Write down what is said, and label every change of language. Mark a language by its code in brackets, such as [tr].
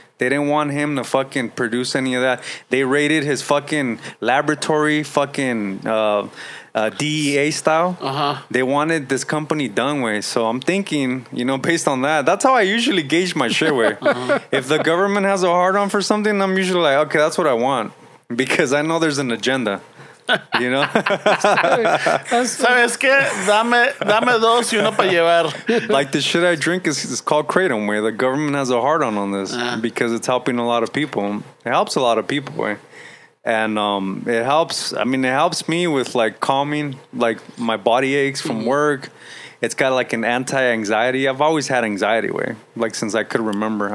[en] They didn't want him to fucking produce any of that. They raided his fucking laboratory, fucking DEA style. They wanted this company done, way. So I'm thinking, you know, based on that, that's how I usually gauge my shit, way. If the government has a hard on for something, I'm usually like, okay, that's what I want, because I know there's an agenda. You know, [es] sabes que dame dos y uno para llevar. [en] Like the shit I drink is called Kratom, where the government has a hard on this because it's helping a lot of people. It helps a lot of people, way, and it helps. I mean, it helps me with like calming, like my body aches from work. It's got like an anti-anxiety. I've always had anxiety, way, like since I could remember.